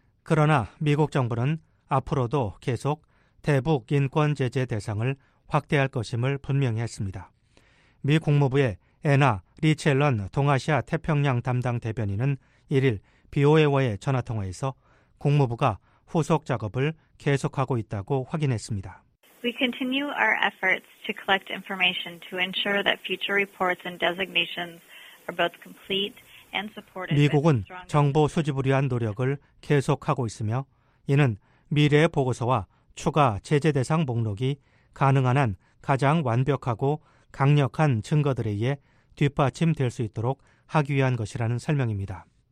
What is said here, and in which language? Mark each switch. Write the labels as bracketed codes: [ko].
[ko] 그러나 미국 정부는 앞으로도 계속 대북 인권 제재 대상을 확대할 것임을 분명히 했습니다. 미 국무부의 애나 리첼런 동아시아 태평양 담당 대변인은 1일 BOA와의 전화통화에서 국무부가 후속 작업을 계속하고 있다고 확인했습니다. [en] We continue our efforts to collect information to ensure that future reports and designations are both complete and supported. [ko] 미국은 정보 수집을 위한 노력을 계속하고 있으며 이는 미래의 보고서와 추가 제재 대상 목록이 가능한 한 가장 완벽하고 강력한 증거들에 의해 뒷받침될 수 있도록 하기 위한 것이라는 설명입니다.